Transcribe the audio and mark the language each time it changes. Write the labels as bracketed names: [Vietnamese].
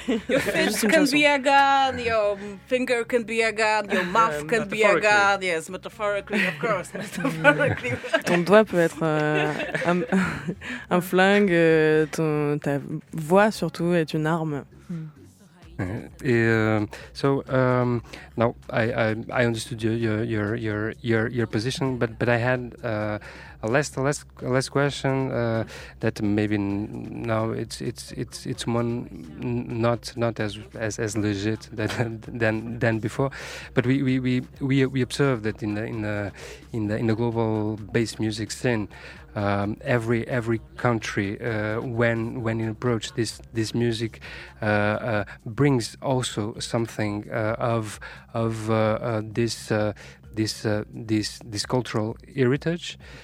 [English] Your fist can be a gun, your finger can be a gun, your mouth can be a gun. Yes, metaphorically, of course. Metaphorically. [French] Ton doigt peut être un flingue, ta voix surtout est une arme. [English] Now I understood your position, but I had a last question that maybe now it's one not as legit than before, but we observe that in the global bass music scene, every country when you approach this music brings also something of this cultural heritage.